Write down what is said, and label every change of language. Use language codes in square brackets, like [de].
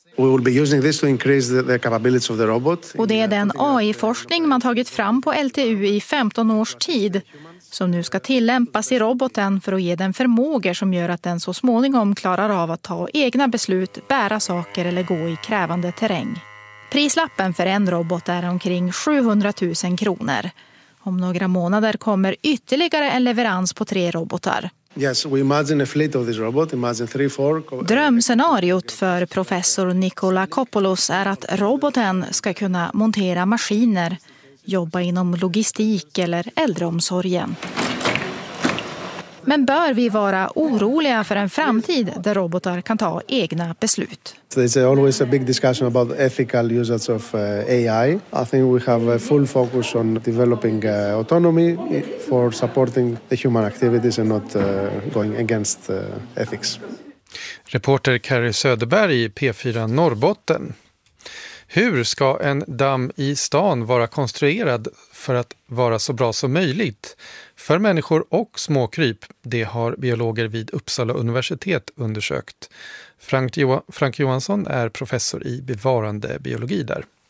[en] We will be using this to increase the capabilities of the robot. [sv] Och det är den AI-forskning man tagit fram på LTU i 15 års tid som nu ska tillämpas i roboten för att ge den förmågor som gör att den så småningom klarar av att ta egna beslut, bära saker eller gå i krävande terräng. Prislappen för en robot är omkring 700 000 kronor. Om några månader kommer ytterligare en leverans på tre robotar. [en] Yes, we imagine a fleet of this robot. Imagine 3-4. [sv] Drömscenariot för professor Nikolakopoulos är att roboten ska kunna montera maskiner, jobba inom logistik eller äldreomsorgen. Men bör vi vara oroliga för en framtid där robotar kan ta egna beslut? [en] It's always a big discussion about ethical usage of AI. I think we have a full focus on developing autonomy for supporting the human activities and not going against ethics. [sv] Reporter Carrie Söderberg i P4 Norrbotten. Hur ska en damm i stan vara konstruerad för att vara så bra som möjligt för människor och småkryp? Det har biologer vid Uppsala universitet undersökt. Frank Johansson är professor i bevarande biologi där.